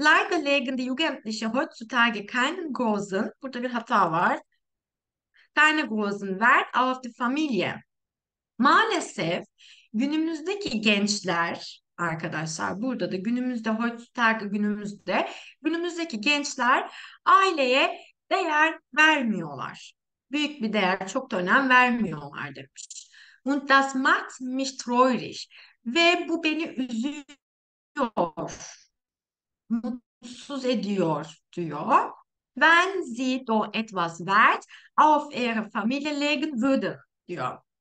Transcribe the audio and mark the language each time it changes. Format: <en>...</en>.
<de>Leider legen die Jugendlichen heutzutage keinen großen,</de> <tr>burada bir hata var,</tr> <de>keine großen Wert auf die Familie.</de> <tr>Maalesef günümüzdeki gençler, arkadaşlar burada da günümüzde, heutzutage günümüzde, günümüzdeki gençler aileye değer vermiyorlar. Büyük bir değer, çok da önem vermiyorlar demiş.</tr> <de>Und das macht mich traurig.</de> <tr>Ve bu beni üzüyor. Mutsuz ediyor diyor.</tr> <de>Wenn sie doch etwas Wert auf ihre Familie legen würden diyor.</de>